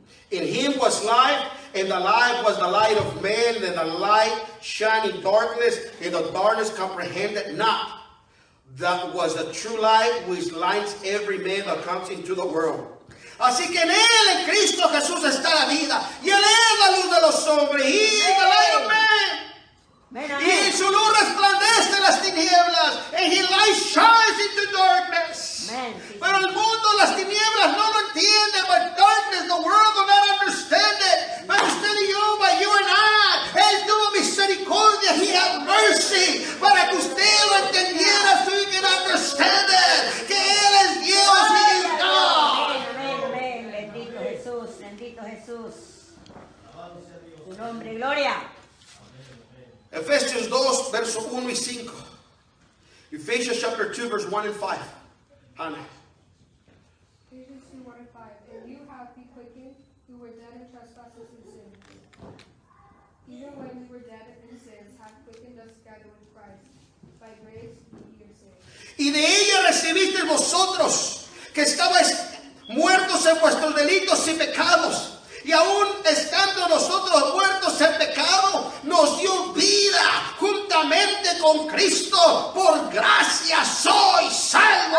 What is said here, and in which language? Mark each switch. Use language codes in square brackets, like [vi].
[en] In Him was life, and the life was the light of men, and the light shined in darkness, and the darkness comprehended not. That was the true light which lights every man that comes into the world. [es] Así que en Él, en Cristo Jesús, está la vida, y Él es la luz de los hombres, y es el [en] light of men. [es] Y su luz resplandece las tinieblas, [en] and His light shines into darkness. [es] Pero el mundo, las tinieblas, no lo entiende. [en] But darkness, the world will not understand it. But [es] usted y yo, [en] but you and I, [es] Él tuvo misericordia, [en] He had mercy, [es] para que usted lo entendiera, [en] so you can understand it, [es] que Él es Dios y Dios. Amén, amén, amén. Bendito Jesús, bendito Jesús. Su nombre, gloria. Efesios 2, verso 1 y 5. [en] Efesios chapter 2, verse 1 and 5. Ephesians 2:5, and you have been quickened, who were dead in trespasses and sins. Even when you were dead in sins, have quickened us together with Christ. By grace, you are saved. [es] Y de ella recibiste vosotros, que estabais muertos en vuestros delitos y pecados. Y aún estando nosotros muertos en pecado, nos dio vida juntamente con Cristo. Por gracia soy salvo.